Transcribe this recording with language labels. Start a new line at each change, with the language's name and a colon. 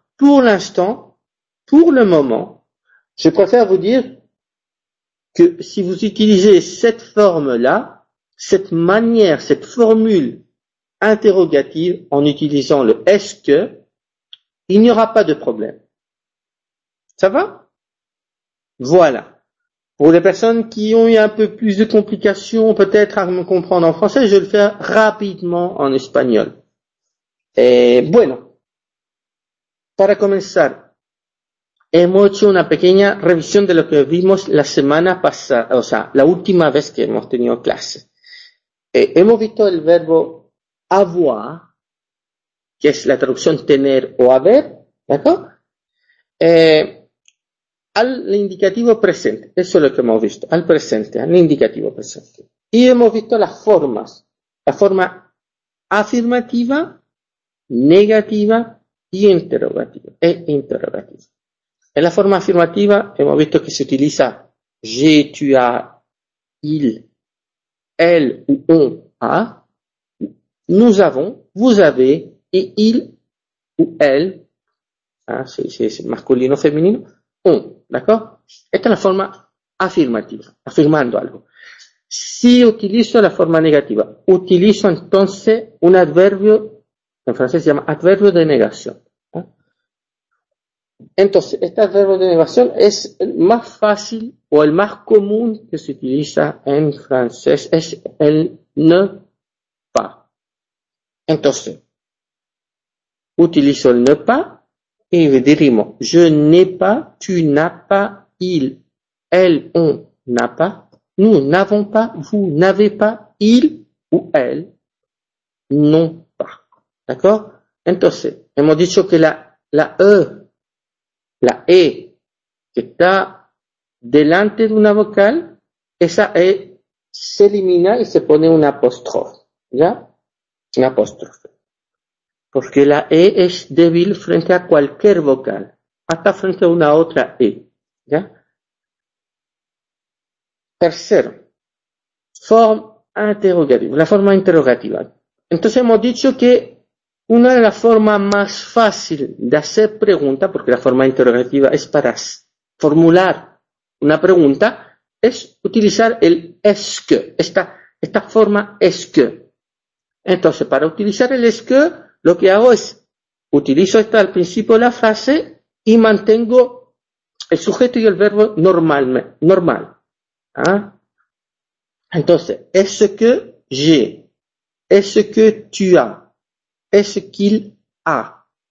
French: Pour l'instant, pour le moment, je préfère vous dire que si vous utilisez cette forme-là, cette manière, cette formule interrogative en utilisant le est-ce que, il n'y aura pas de problème. Ça va? Voilà. Pour les personnes qui ont eu un peu plus de complications, peut-être à me comprendre en français, je vais le faire rapidement en espagnol. Et
Spanish: bueno, para comenzar, Hemos hecho una pequeña revisión de lo que vimos la semana pasada, o sea, la última vez que hemos tenido clase. Hemos visto el verbo avoir, que es la traducción tener o haber, ¿verdad? Al indicativo presente, eso es lo que hemos visto, al presente, al indicativo presente. Y hemos visto las formas, la forma afirmativa, negativa y interrogativa, e interrogativa. En la forma afirmativa hemos visto que se utiliza
French: j'ai, tu as, il, elle ou on a, nous avons, vous avez et il ou elle, ah, c'est
Spanish: masculino o femenino,
French: on, ¿d'accord?
Spanish: Esta es la forma afirmativa, afirmando algo. Si utilizo la forma negativa, utilizo entonces un adverbio, en francés se llama adverbio de negación. Entonces, este adverbio de negación es el más fácil o el más común que se utiliza en francés, es el ne pas. Entonces, utilizo el ne pas y diríamos,
French: je n'ai pas, tu n'as pas, il, elle, on n'a pas, nous n'avons pas, vous n'avez pas, il ou elle n'ont pas. ¿D'accord?
Spanish: Entonces, hemos dicho que la E, la E que está delante de una vocal, esa E se elimina y se pone una apóstrofe. ¿Ya? Una apóstrofe. Porque la E es débil frente a cualquier vocal, hasta frente a una otra E. ¿Ya? Tercero. Forma interrogativa. La forma interrogativa. Entonces hemos dicho que una de las formas más fáciles de hacer preguntas, porque la forma interrogativa es para formular una pregunta, es utilizar el est-ce que, esta forma est-ce que. Entonces, para utilizar el est-ce que, lo que hago es, utilizo esta al principio de la frase y mantengo el sujeto y el verbo normal. ¿Ah? Entonces,
French: est-ce que j'ai, est-ce que tu as, est-ce qu'il a?